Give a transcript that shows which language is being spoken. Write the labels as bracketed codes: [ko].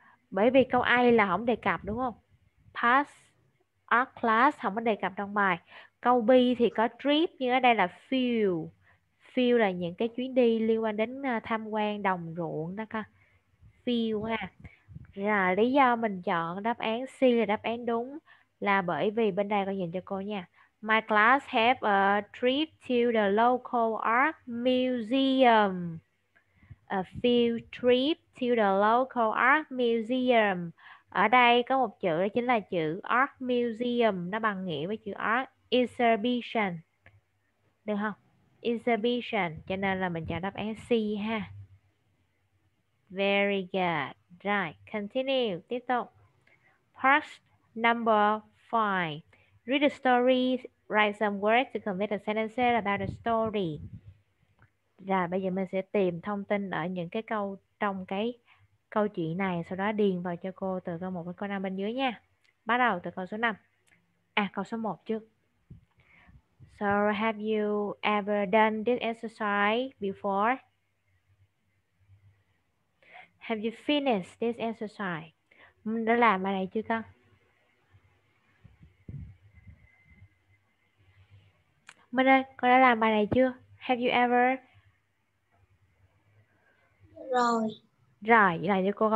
[vi] Bởi vì câu A là không đề cập đúng không? Past art class không có đề cập trong bài. Câu B thì có trip nhưng ở đây là field. Field là những cái chuyến đi liên quan đến tham quan đồng ruộng đó con. Field ha. Rồi lý do mình chọn đáp án C là đáp án đúng là bởi vì bên đây con nhìn cho cô nha. [en] My class have a trip to the local art museum. A field trip to the local art museum. [vi] Ở đây có một chữ đó chính là chữ art museum. Nó bằng nghĩa với chữ art exhibition. Được không? Exhibition. Cho nên là mình chọn đáp án C ha. [en] Very good. Right. Continue. [vi] Tiếp tục. [en] Part number 5. Read the story. Write some words to complete the sentences about the story. [vi] Rồi bây giờ mình sẽ tìm thông tin ở những cái câu trong cái câu chuyện này, sau đó điền vào cho cô từ câu 1 đến câu 5 bên dưới nha. Bắt đầu từ câu số 5. À, câu số 1 trước. [en] So, have you ever done this exercise before? Have you finished this exercise? [vi] Mình đã làm bài này chưa con? Mình ơi, con đã làm bài này chưa? [en] Have you ever... [vi] Rồi. Rồi, vậy là như cô câu